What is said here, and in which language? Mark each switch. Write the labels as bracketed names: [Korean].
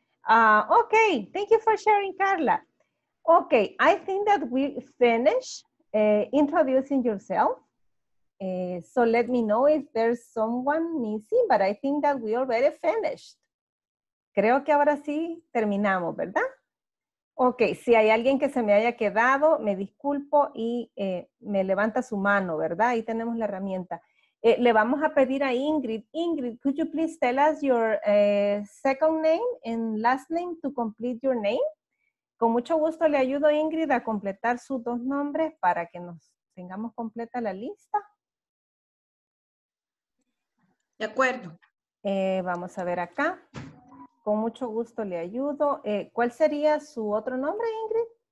[English] Okay, thank you for sharing, Carla. Okay, I think that we finish introducing yourself. So let me know if there's someone missing, but I think that we already finished. [Spanish] Creo que ahora sí terminamos, ¿verdad? Ok, si hay alguien que se me haya quedado, me disculpo y me levanta su mano, ¿verdad? Ahí tenemos la herramienta. Le vamos a pedir a Ingrid. [English] Ingrid, could you please tell us your second name and last name to complete your name? [Spanish] Con mucho gusto le ayudo, Ingrid, a completar sus dos nombres para que nos tengamos completa la lista. De acuerdo. Vamos a ver acá. Con mucho gusto le ayudo. ¿Cuál sería su otro nombre, Ingrid?